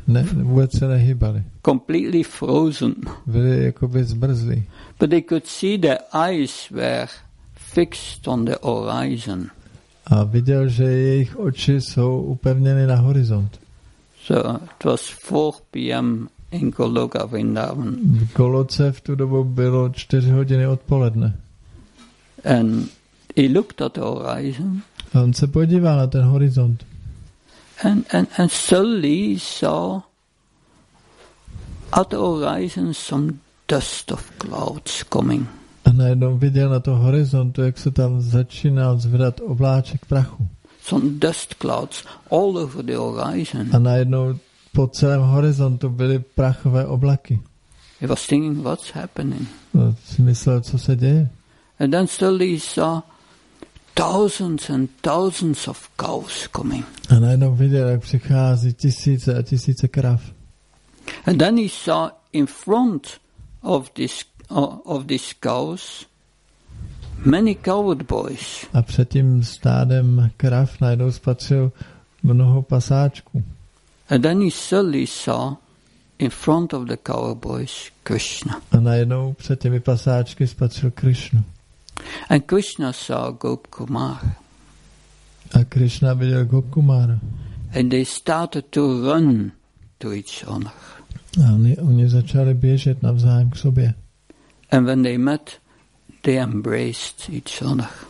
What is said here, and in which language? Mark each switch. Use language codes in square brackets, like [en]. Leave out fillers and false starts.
[cs] Ne, vůbec se nehybali. [en] Completely frozen. [cs] Byli jakoby zmrzlí. [en] But they could see their eyes were fixed on the horizon. [cs] A viděl, že jejich oči jsou upevněny na horizont. [en] So it was 4 p.m. in Goloka Vrindavan. [cs] V Goloce v tu dobu bylo 4 hodiny odpoledne. [en] And he looked at the horizon. [cs] A on se podíval na ten horizont. [en] And suddenly he saw at the horizon some dust of clouds coming. [cs] A najednou viděl na tom horizontu, jak se tam začíná zvedat obláček prachu. [en] Some dust clouds all over the horizon. [cs] A najednou po celém horizontu byly prachové oblaky. [en] He was thinking, what's happening? [cs] A si myslel, co se děje. [en] And then suddenly he saw thousands and thousands of cows coming. [cs] A najednou viděl, jak přichází tisíce a tisíce krav. [en] And then he saw in front of this cows many coward boys. [cs] A před tím stádem krav najednou spatřil mnoho pasáčků. [en] And then he suddenly saw in front of the coward boys Krishna. [cs] A najednou před těmi pasáčky spatřil Krishnu. [en] And Krishna saw Gop Kumar. [cs] A Krishna viděl Gop Kumara. [en] And they started to run to each other. [cs] A oni začali běžet navzájem k sobě. [en] And when they met, they embraced each other.